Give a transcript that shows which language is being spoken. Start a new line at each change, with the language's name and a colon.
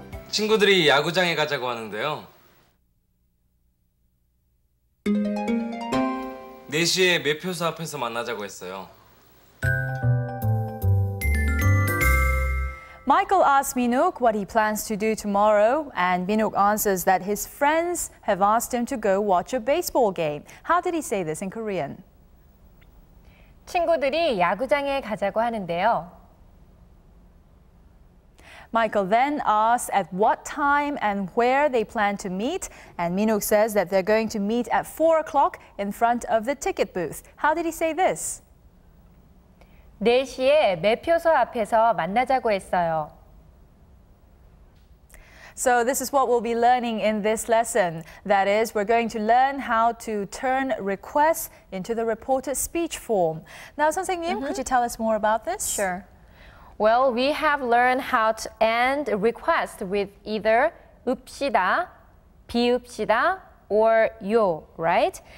Korean: 친구들이 야구장에 가자고 하는데요. 4시에 매표소 앞에서 만나자고 했어요.
English: Michael asks Minook what he plans to do tomorrow, and Minook answers that his friends have asked him to go watch a baseball game. How did he say this in Korean?
Korean: 친구들이 야구장에 가자고 하는데요.
English: Michael then asks at what time and where they plan to meet, and Minook says that they're going to meet at 4 o'clock in front of the ticket booth. How did he say this?
Korean: 4시에 매표소 앞에서 만나자고 했어요.
English: So this is what we'll be learning in this lesson. That is, we're going to learn how to turn requests into the reported speech form. Now, 선생님, mm-hmm. could you tell us more about this? Sure. Well, we have learned how to end a request with either 읍시다, 비읍시다, or 요, right?